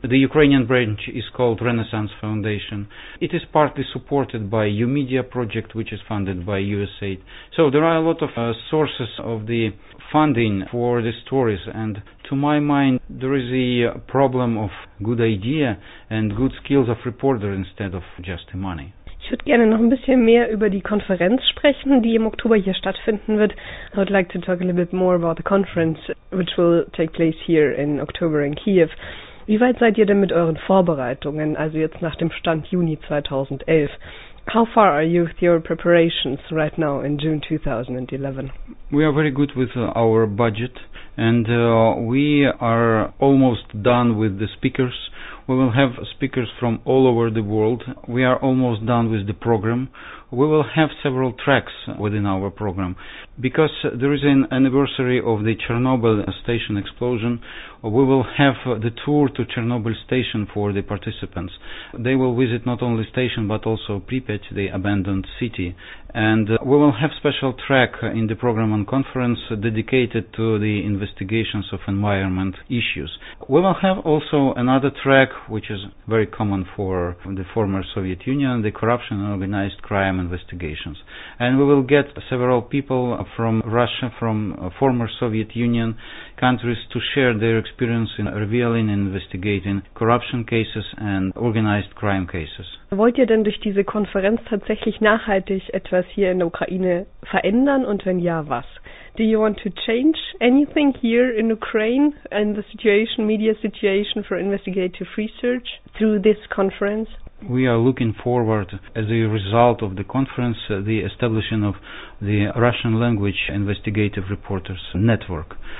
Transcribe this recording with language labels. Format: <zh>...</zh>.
<en>The Ukrainian branch is called Renaissance Foundation. It is partly supported by UMedia project, which is funded by USAID. So there are a lot of sources of the funding for the stories. And to my mind, there is a problem of good idea and good skills of reporter instead of just the money.</en> <de>Ich würde gerne noch ein bisschen mehr über die Konferenz sprechen, die im Oktober hier stattfinden wird.</de> <en>I would like to talk a little bit more about the conference, which will take place here in October in Kiev.</en> <de>Wie weit seid ihr denn mit euren Vorbereitungen, also jetzt nach dem Stand Juni 2011?</de> <en>How far are you with your preparations right now in June 2011? We are very good with our budget and we are almost done with the speakers. We will have speakers from all over the world. We are almost done with the program. We will have several tracks within our program. Because there is an anniversary of the Chernobyl station explosion, we will have the tour to Chernobyl station for the participants. They will visit not only station, but also Pripyat, the abandoned city. And we will have special track in the program and conference dedicated to the investigations of environment issues. We will have also another track, which is very common for the former Soviet Union, the corruption and organized crime investigations. And we will get several people from Russia, from former Soviet Union countries, to share their experience in revealing and investigating corruption cases and organized crime cases.</en> <de>Wollt ihr denn durch diese Konferenz tatsächlich nachhaltig etwas hier in der Ukraine verändern? Und wenn ja, was?</de> <en>Do you want to change anything here in Ukraine and the situation, media situation for investigative research through this conference? We are looking forward, as a result of the conference, the establishing of the Russian language investigative reporters network.</en>